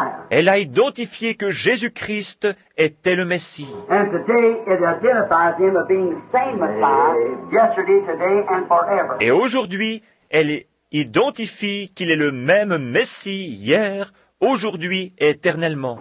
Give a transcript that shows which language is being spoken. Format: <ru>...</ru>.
<fr>Elle a identifié que Jésus-Christ était le Messie.</fr> <en>And today it identifies him as being the same Messiah yesterday, today and forever.</en> <fr>Et aujourd'hui, elle identifie qu'il est le même Messie hier, aujourd'hui et éternellement.</fr>